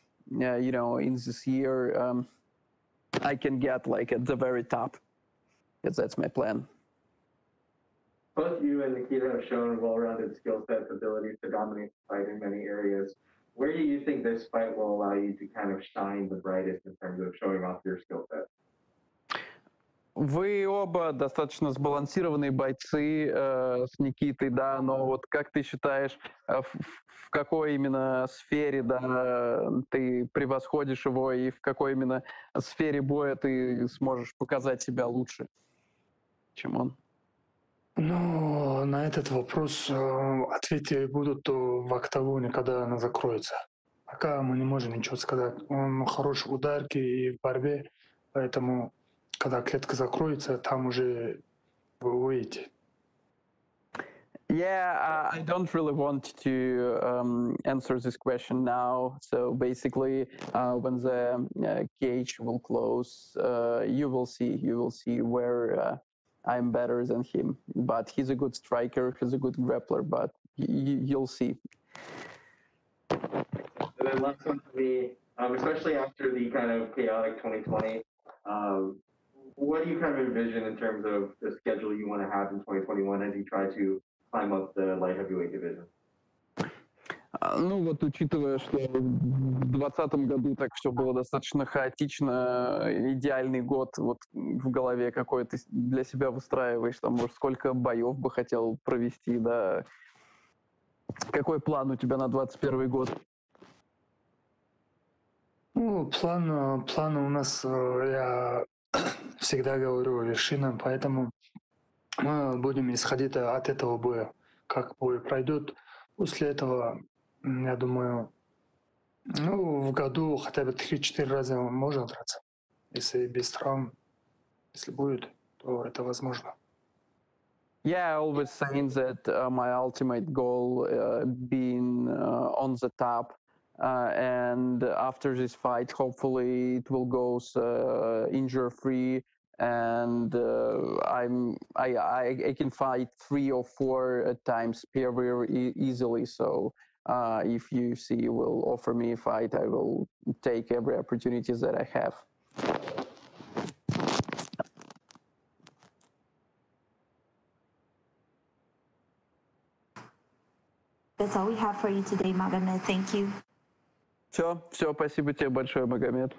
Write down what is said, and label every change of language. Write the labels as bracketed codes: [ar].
[en] in this year I can get like at the very top, because that's my plan. Both you and Nikita have shown well-rounded skill sets, abilities to dominate the fight in many areas. Where do you think this fight will allow you to kind of shine the brightest in terms of showing off your skill set? [ru] Вы оба достаточно сбалансированные бойцы с Никитой, да, но вот как ты считаешь, в какой именно сфере, да, ты превосходишь его, и в какой именно сфере боя ты сможешь показать себя лучше, чем он? Ну, на этот вопрос ответы будут в октагоне, когда она закроется. Пока мы не можем ничего сказать. Он хорош в ударке и в борьбе, поэтому... Когда клетка закроется, там уже вы выйдете. [en] Yeah, I don't really want to answer this question now. So basically, when the cage will close, you will see where I'm better than him. But he's a good striker, he's a good grappler, but you'll see. And then last one for me, especially after the kind of chaotic 2020, what do you kind of envision in terms of the schedule you want to have in 2021 as you try to climb up the light heavyweight division? [ru] Ну вот, учитывая, что в 2020 году так все было достаточно хаотично, идеальный год вот в голове какой-то для себя выстраиваешь, там, может, сколько боев бы хотел провести, да? Какой план у тебя на 2021 год? Ну, план у нас, я... Всегда говорю вершина, поэтому мы будем исходить от этого боя, как бой пройдет. После этого, я думаю, ну, в году хотя бы 3-4 раза можно драться. Если без травм, если будет, то это возможно. [en] Yeah, I always saying that my ultimate goal being on the top. And after this fight, hopefully it will go injury-free, and I can fight 3 or 4 times per year easily. So if UFC will offer me a fight, I will take every opportunity that I have. That's all we have for you today, Magomed. Thank you. [ru] Все, спасибо тебе большое, Магомед.